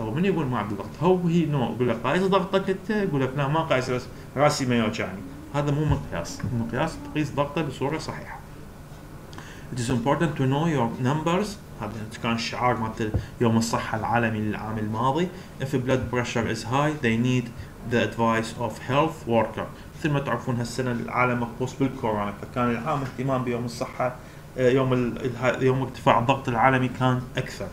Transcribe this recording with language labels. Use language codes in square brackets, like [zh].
[ar] ومن يقول ما عندي ضغط؟ هو هي نوع يقولك قايس ضغطك أنت. يقولك لا ما قايس بس راسي ما يوجعني. هذا مو مقياس. المقياس تقيس ضغطه بصورة صحيحة. [en] It is important to know your numbers. [ar] هذا كان شعار مثل يوم الصحة العالمي للعام الماضي. [en] If blood pressure is high, they need the advice of health worker. [ar] مثل ما تعرفون هالسنة العالم مخصوص بالكورونا، فكان العام اهتمام بيوم الصحة يوم ارتفاع الضغط العالمي كان أكثر.